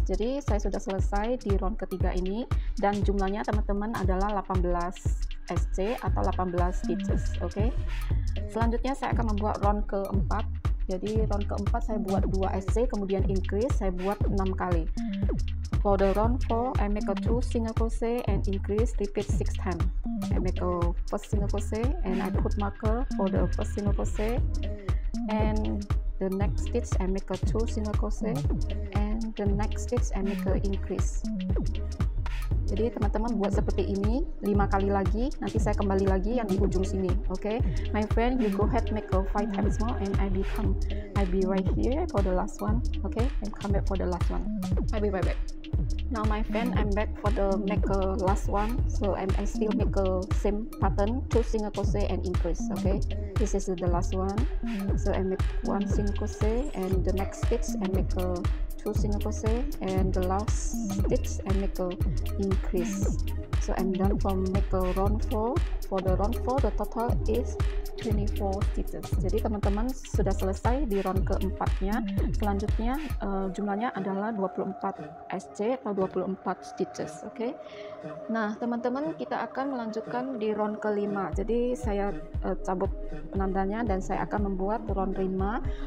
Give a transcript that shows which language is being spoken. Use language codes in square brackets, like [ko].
[id] Jadi saya sudah selesai di round ketiga ini dan jumlahnya teman-teman adalah 18 SC atau 18 stitches, oke? Selanjutnya saya akan membuat round keempat. Jadi round keempat saya buat 2 SC kemudian increase, saya buat 6 kali. [en] For the round 4, I make a 2 single crochet and increase, repeat 6 times. I make a first single crochet and I put marker for the first single crochet. And the next stitch I make a 2 single crochet and the next stitch I make a increase. [id] Jadi teman-teman buat seperti ini 5 kali lagi, nanti saya kembali lagi yang di ujung sini, oke? [en] Okay? My friend, you go ahead make a 5 times more and I'll be right here for the last one, oke? Okay? And come back for the last one. I'll be right back. Now my friend, I'm back for the make a last one. So I still make a same pattern, 2 single crochet and increase, oke? Okay? This is the last one. So I make 1 single crochet and the next stitch I make a 2 single crochet and the last stitch I make a increase. So I'm done from make a round 4. For the round 4, the total is [id] 24 stitches. Jadi teman-teman sudah selesai di round keempatnya. Selanjutnya jumlahnya adalah 24 SC atau 24 stitches, oke? Nah, teman-teman, kita akan melanjutkan di round kelima. Jadi saya cabut penandanya dan saya akan membuat round 5.